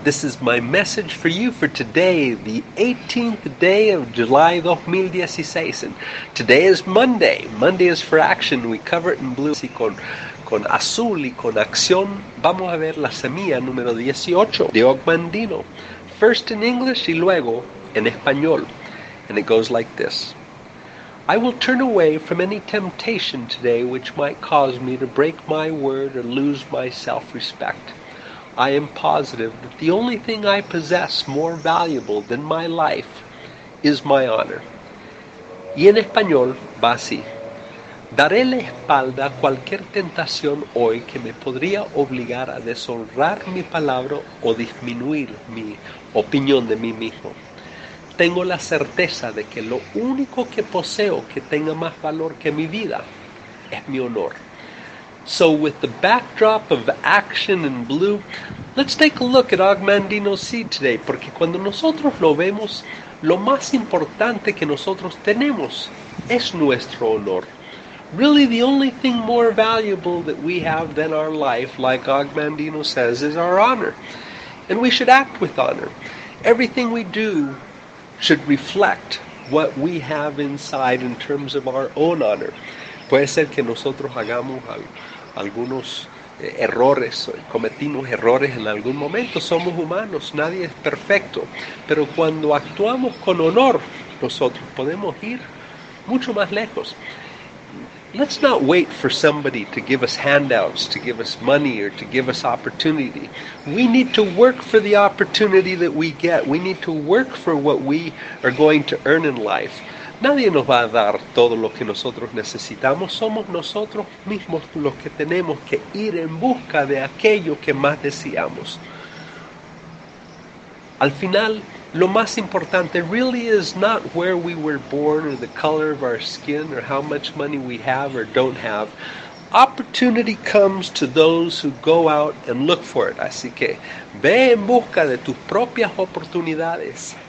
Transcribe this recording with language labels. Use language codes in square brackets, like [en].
[en] This is my message for you for today, the 18th day of July 2016. And today is Monday. Monday is for action. We cover it in blue. [es] Y con azul y con acción, vamos a ver la semilla número 18 de Ogmandino. [en] First in English [es] y luego en español. [en] And it goes like this. I will turn away from any temptation today which might cause me to break my word or lose my self-respect. I am positive that the only thing I possess more valuable than my life is my honor. [es] Y en español va así. Daré la espalda a cualquier tentación hoy que me podría obligar a deshonrar mi palabra o disminuir mi opinión de mí mismo. Tengo la certeza de que lo único que poseo que tenga más valor que mi vida es mi honor. [en] So with the backdrop of action in blue, let's take a look at Ogmandino seed today. [es] Porque cuando nosotros lo vemos, lo más importante que nosotros tenemos es nuestro honor. [en] Really, the only thing more valuable that we have than our life, like Ogmandino says, is our honor. And we should act with honor. Everything we do should reflect what we have inside in terms of our own honor. [es] Puede ser que nosotros hagamos algunos errores, cometimos errores en algún momento. Somos humanos, nadie es perfecto. Pero cuando actuamos con honor, nosotros podemos ir mucho más lejos. [en] Let's not wait for somebody to give us handouts, to give us money, or to give us opportunity. We need to work for the opportunity that we get. We need to work for what we are going to earn in life. [es] Nadie nos va a dar todo lo que nosotros necesitamos. Somos nosotros mismos los que tenemos que ir en busca de aquello que más deseamos. Al final, lo más importante [en] really is not where we were born or the color of our skin or how much money we have or don't have. Opportunity comes to those who go out and look for it. [es] Así que ve en busca de tus propias oportunidades.